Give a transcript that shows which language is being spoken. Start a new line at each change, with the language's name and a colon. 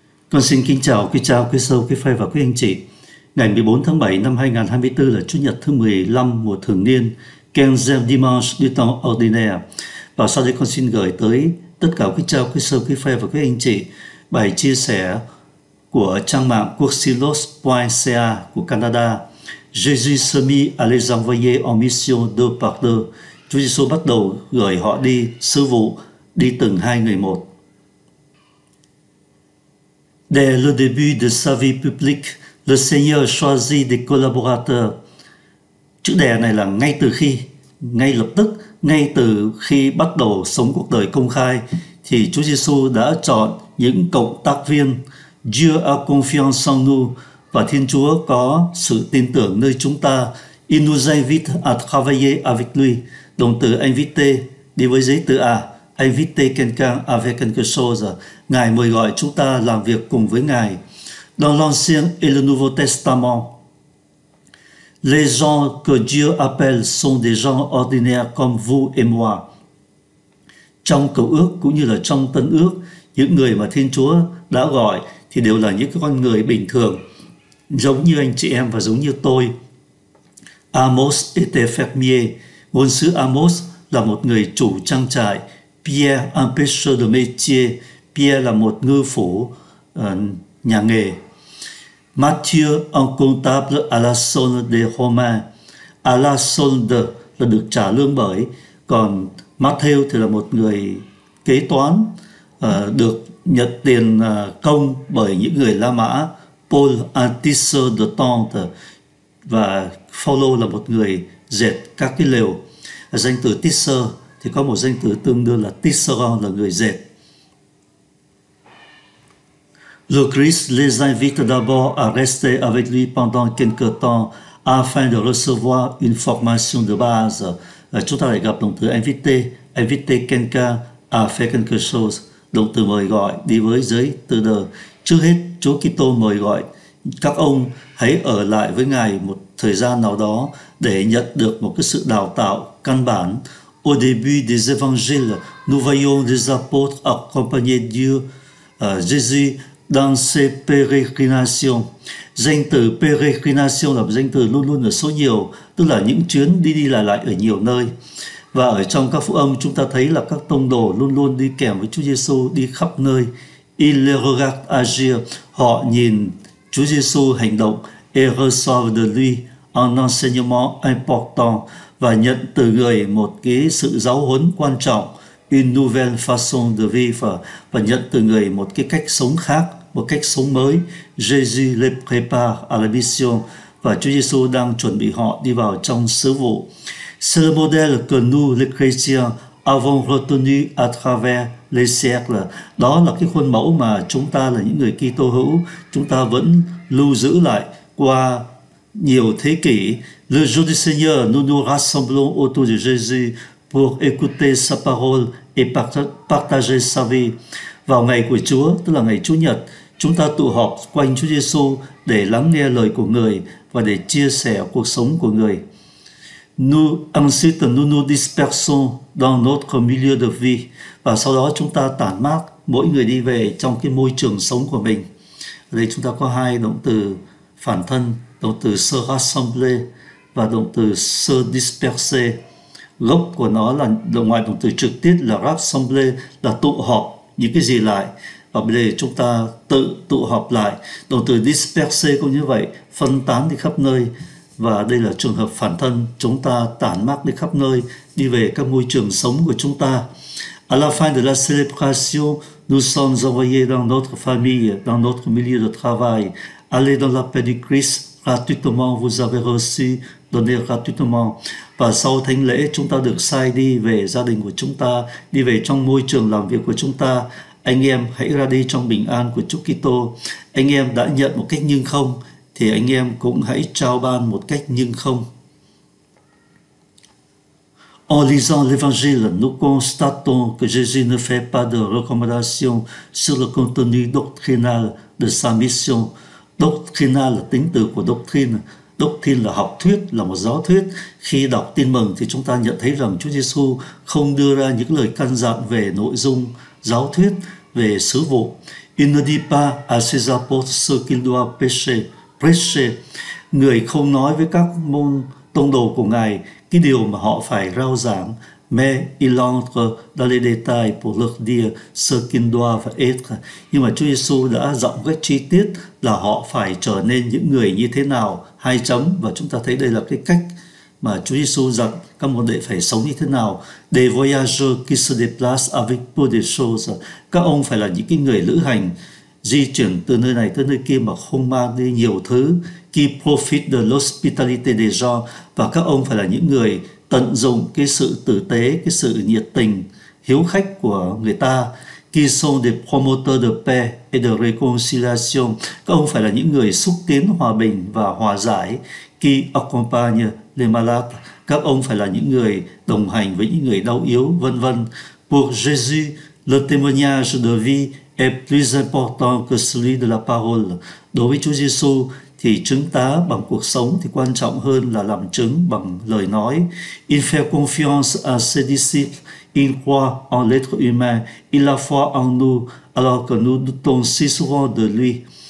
Vietnamese: Con xin kính chào quý cha, quý sư, quý phê và quý anh chị. Ngày 14 tháng 7 năm 2024 là Chủ nhật thứ 15 mùa thường niên,
French: Quinzième dimanche du temps ordinaire.
Vietnamese: Và sau đây con xin gửi tới tất cả quý cha, quý sư, quý phê và quý anh chị bài chia sẻ của trang mạng Quoxilos.ca của Canada.
French: Jésus se mit à les envoyer en mission deux par deux.
Vietnamese: Chúa Giêsu bắt đầu gửi họ đi sứ vụ đi từng hai người một.
French: Dès le début de sa vie publique, le Seigneur choisit des collaborateurs.
Vietnamese: Chữ đè này là ngay từ khi, ngay lập tức, ngay từ khi bắt đầu sống cuộc đời công khai, thì Chúa Giêsu đã chọn những cộng tác viên.
French: Dieu a confiance en nous,
Vietnamese: và Thiên Chúa có sự tin tưởng nơi chúng ta.
French: Il nous invite à travailler avec lui.
Vietnamese: Động từ inviter đi với giấy từ à.
French: Invite quelqu'un avec quelque chose.
Vietnamese: Ngài mời gọi chúng ta làm việc cùng với Ngài.
French: Dans l'Ancien et le Nouveau Testament, les gens que Dieu appelle sont des gens ordinaires comme vous et moi.
Vietnamese: Trong Cựu Ước cũng như là trong Tân Ước, những người mà Thiên Chúa đã gọi thì đều là những con người bình thường, giống như anh chị em và giống như tôi.
French: Amos était fermier.
Vietnamese: Ngôn sứ Amos là một người chủ trang trại.
French: Pierre, un pêcheur de métier.
Vietnamese: Pierre là một ngư phủ, nhà nghề.
French: Matthieu, un comptable à la solde des Romains. À la solde
Vietnamese: là được trả lương bởi. Còn Matthieu thì là một người kế toán, được nhận tiền công bởi những người La Mã.
French: Paul, un tisseur de tente.
Vietnamese: Và Paulo là một người dệt các cái lều. Danh từ tisseur thì có một danh từ tương đương là tisserand, là người dệt.
French: Le Christ les invite d'abord à rester avec lui pendant quelques temps afin de recevoir une formation de base.
Vietnamese: Chúng ta lại gặp động từ inviter,
French: inviter quelqu'un à faire quelque chose,
Vietnamese: động từ mời gọi đi với giới từ de. Trước hết, Chúa Kitô mời gọi các ông hãy ở lại với Ngài một thời gian nào đó để nhận được một cái sự đào tạo căn bản.
French: Au début des évangiles, nous voyons des apôtres accompagner Dieu, Jésus dans ses pérégrinations.
Vietnamese: Danh từ pérégrination là một danh từ luôn luôn ở số nhiều, tức là những chuyến đi đi lại lại ở nhiều nơi. Và ở trong các phúc âm chúng ta thấy là các tông đồ luôn luôn đi kèm với Chúa Giêsu đi khắp nơi.
French: Il les regarde agir,
Vietnamese: họ nhìn Chúa Giêsu hành động
French: et reçoivent de lui un enseignement important.
Vietnamese: Và nhận từ người một cái sự giáo huấn quan trọng,
French: une nouvelle façon de vivre,
Vietnamese: và nhận từ người một cái cách sống khác, một cách sống mới.
French: Jésus les prépare à la mission,
Vietnamese: và Chúa Giêsu đang chuẩn bị họ đi vào trong sứ vụ.
French: C'est le modèle que nous, les chrétiens, avons retenu à travers les siècles.
Vietnamese: Đó là cái khuôn mẫu mà chúng ta là những người Kitô hữu, chúng ta vẫn lưu giữ lại qua nhiều thế kỷ.
French: Le jour du Seigneur, nous nous rassemblons autour de Jésus pour écouter sa parole et partager sa vie.
Vietnamese: Vào ngày của Chúa, tức là ngày Chủ nhật, chúng ta tụ họp quanh Chúa Giêsu để lắng nghe lời của Người và để chia sẻ cuộc sống của Người.
French: Nous ensuite nous nous dispersons dans notre milieu de vie.
Vietnamese: Và sau đó chúng ta tản mát, mỗi người đi về trong cái môi trường sống của mình. Ở đây chúng ta có hai động từ phản thân, động từ se rassembler và động từ se disperser. Gốc của nó là ngoài động từ trực tiếp là rassembler, là tụ họp những cái gì lại, và bây giờ chúng ta tự tụ họp lại. Động từ disperser cũng như vậy, phân tán đi khắp nơi, và đây là trường hợp phản thân, chúng ta tản mát đi khắp nơi, đi về các môi trường sống của chúng ta.
French: À la fin de la célébration, nous sommes envoyés dans notre famille, dans notre milieu de travail. Allez dans la paix du Christ. Gratuitement, vous avez reçu, donné gratuitement.
Vietnamese: Và sau thánh lễ, chúng ta được sai đi về gia đình của chúng ta, đi về trong môi trường làm việc của chúng ta. Anh em hãy ra đi trong bình an của Chúa Kitô. Anh em đã nhận một cách nhưng không, thì anh em cũng hãy trao ban một cách nhưng không.
French: En lisant l'évangile, nous constatons que Jésus ne fait pas de recommandations sur le contenu doctrinal de sa mission.
Vietnamese: Doctrina là tính từ của doctrine. Doctrine là học thuyết, là một giáo thuyết. Khi đọc tin mừng thì chúng ta nhận thấy rằng Chúa Giêsu không đưa ra những lời căn dặn về nội dung giáo thuyết, về sứ vụ.
French: Il ne dit pas à ses apôtres ce qu'il doit prêcher.
Vietnamese: Người không nói với các môn tông đồ của Ngài cái điều mà họ phải rao giảng.
French: Mais il entre dans les détails pour leur dire ce qu'ils doivent être.
Vietnamese: Nhưng mà Chúa Giêsu đã giọng rất chi tiết là họ phải trở nên những người như thế nào. Hai chấm, và chúng ta thấy đây là cái cách mà Chúa Giêsu dặn các môn đệ phải sống như thế nào.
French: Des voyageurs qui se déplacent avec peu de choses.
Vietnamese: Các ông phải là những cái người lữ hành di chuyển từ nơi này tới nơi kia mà không mang đi nhiều thứ.
French: Qui profitent de l'hospitalité des gens.
Vietnamese: Và các ông phải là những người tận dụng cái sự tử tế, cái sự nhiệt tình, hiếu khách của người ta.
French: Qui sont des promoteurs de paix et de réconciliation.
Vietnamese: Các ông phải là những người xúc tiến hòa bình và hòa giải.
French: Qui accompagne les malades.
Vietnamese: Các ông phải là những người đồng hành với những người đau yếu, vân vân.
French: Pour Jésus, le témoignage de vie est plus important que celui de la parole.
Vietnamese: Đối với Chúa Giêsu thì chứng tá bằng cuộc sống thì quan trọng hơn là làm chứng bằng lời nói.
French: Il fait confiance à ses disciples, il croit en l'être humain, il a foi en nous, alors que nous doutons si souvent de lui.